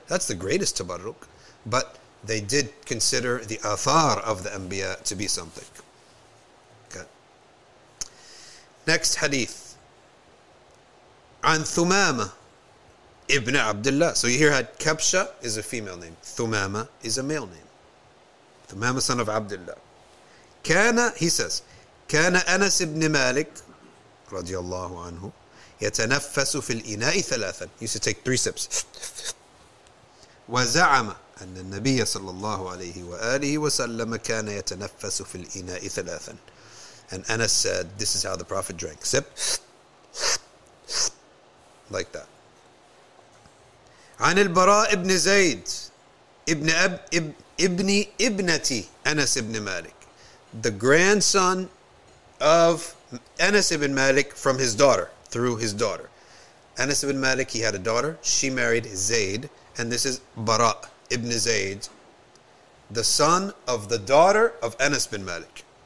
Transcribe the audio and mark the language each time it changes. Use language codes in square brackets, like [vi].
[en] That's the greatest tabarruk. But they did consider the athar of the anbiya to be something. Okay. Next hadith. An Thumama ibn Abdullah. So you hear how Kabsha is a female name. Thumama is a male name. Thumama, son of Abdullah. [ar] Kana, [en] he says, [ar] كان أنس بن مالك رضي الله عنه يتنفس في الإناء ثلاثا. [en] He used to take three sips. [ar] وزعم أن النبي صلى الله عليه وآله وسلم كان يتنفس في الإناء ثلاثا. [en] And Anas said, this is how the Prophet drank. Sip. Like that. [ar] عن البراء بن زيد ابنتي أنس بن مالك. [en] The grandson of Anas ibn Malik from his daughter, through his daughter. Anas ibn Malik, he had a daughter, she married Zayd, and this is Bara ibn Zayd, the son of the daughter of Anas ibn Malik.